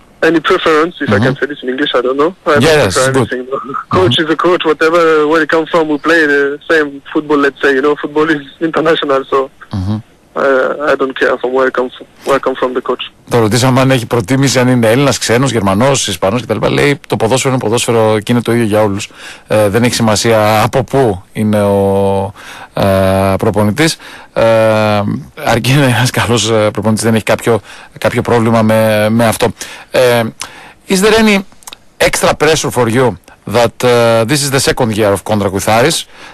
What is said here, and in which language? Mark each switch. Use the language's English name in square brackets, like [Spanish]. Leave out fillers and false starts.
[English] any preference, if I can say this in English, I don't know. Yes, good. Coach is a coach, whatever, where you come from, we play the same football, let's say, you know, football is international, so I don't care from where I come from, the coach. [Greek] Το ρωτήσαμε αν έχει προτίμηση, αν είναι Έλληνας, ξένος, Γερμανός, Ισπανός κτλ. Λέει το ποδόσφαιρο είναι ποδόσφαιρο και είναι το ίδιο για όλους. Δεν έχει σημασία από πού είναι ο προπονητής. Αρκεί να είναι ένας καλός προπονητής, δεν έχει κάποιο πρόβλημα με αυτό. [English] Is there any extra pressure for you that this is the second year of contract with Aris?